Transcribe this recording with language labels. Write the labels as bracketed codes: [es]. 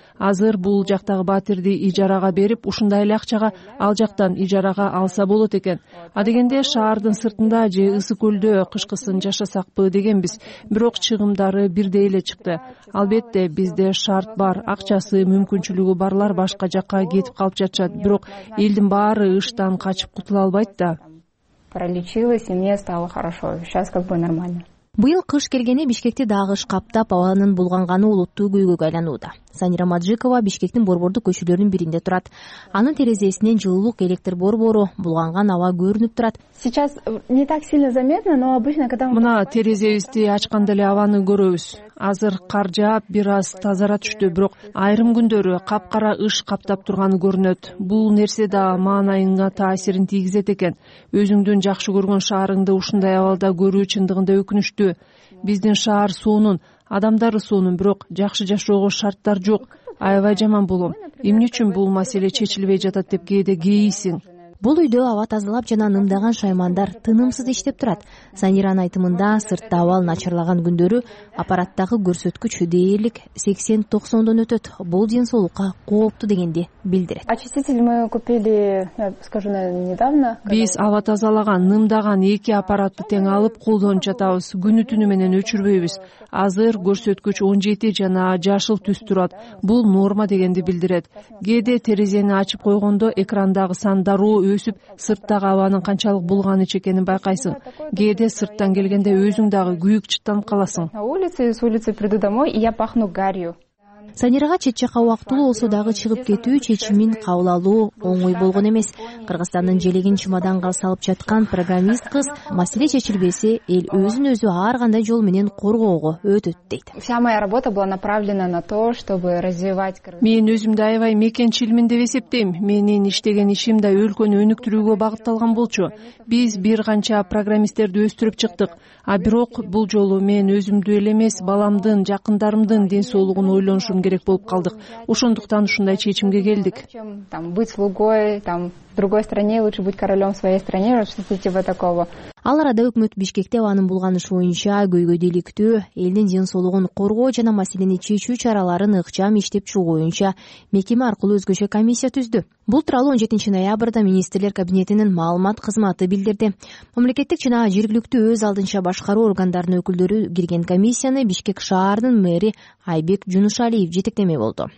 [ky] Азыр бул жактагы батирди ижарага берип, ушундай эле акчага ал жактан ижарага алса болот экен. Адегенде шаардын сыртында же ысык көлдө кышкысын жашасакпы дегенбиз. Бирок чыгымдары бирдей эле чыкты. Албетте бизде шарт бар, акчасы, мүмкүнчүлүгү барлар башка жакка кетип калып жатышат. Бирок элдин баары ыштан качып кутула албайт да. [ru] Пролечилась и мне стало хорошо. Сейчас как бы нормально. [ky] Быйыл кыш келгени Бишкекти дагы ыш каптап, абанын булганганы олуттуу көйгөйгө айланууда. Санира Маджикова Бишкектин борбордук көчөлөрүнүн биринде турат. Анын терезесинен жылуулук электр борбору, булганган аба көрүнүп турат. [ru] Сейчас не так сильно заметно, но обычно когда мы [ky] мына терезебизди ачканда эле абаны көрөбүз. Азыр кар жаап, бир аз тазара түштү, бирок айрым күндөрү капкара ыш каптап турганы көрүнөт. Бул нерсе да маанайыңга таасирин тийгизет экен. Өзүңдүн жакшы көргөн шаарыңды ушундай абалда көрүү чындыгында өкүнүчтүү. Биздин шаар суунун, адамдар суунун, бирок жакшы жашоого шарттар жок. Аябай жаман болом. Эмне үчүн бул маселе чечилбей жатат деп кээде кейисиң. Бул үйдө аба тазалап жана нымдаган шаймандар тынымсыз иштеп турат. Саниранын айтымында, сыртта абал начарлаган күндөрү аппараттагы көрсөткүч дээрлик 80-90 өтөт. Бул ден соолукка кооптуу дегенди билдирет. [ru] Очиститель мы купили, я скажу, наверное, недавно. [ky] Биз аба тазалаган, нымдаган эки аппаратты тең алып колдонуп жатабыз. Күнү түнү менен өчүрбөйбүз. Азыр көрсөткүч 17 жана жашыл түс турат. Бул норма дегенди билдирет. Кээде терезени ачып койгондо экрандагы сан дароо өсүп, сырттагы абанын канчалык булганы чекенин байкайсың. Кээде сырттан келгенде өзүң дагы күйүк чыттанып каласың. [ru] На улице и с улицы приду домой, и я пахну гарью. [ky] Санирага чет жакка убактылуу болсо дагы чыгып кетүү чечимин кабыл алуу оңой болгон эмес. Кыргызстандын желегин чымаданга салып жаткан программист кыз маселе чечилбесе эл өзүн өзү ар кандай жол менен коргоого өтөт дейт. [ru] Вся моя работа была направлена на то, чтобы развивать Кыргызстан. [ky] Мен өзүмдү аябай мекенчилмин деп эсептейм. Менин иштеген ишим да өлкөнү өнүктүрүүгө багытталган болчу. Биз бир канча программисттерди өстүрүп чыктык. А бирок бул жолу мен өзүмдү эле эмес, баламдын, жакындарымдын ден соолугун ойлонушум керек болып қалдық. Ошондуктан ушундай чечимге келдик. [ru] Там быть слугой, там в другой стране лучше быть королем своей стране, что-то типа такого. [ky] Ал арада өкмөт Бишкекте анын болган иши боюнча көйгөйдөлүктүү, элдин ден соолугун коргоо жана маселени чечүү чараларын ыкчам иштеп чыгуу боюнча мекеме аркылуу өзгөчө комиссия түздү. Бул тууралуу 17-ноябрда министрлер кабинетинин маалымат кызматы билдирди. Мамлекеттик жана жергиликтүү өз алдынча башкаруу органдарынын өкүлдөрү кирген комиссияны Бишкек шаарынын мэри Айбек Жунушалиев жетектемек болду.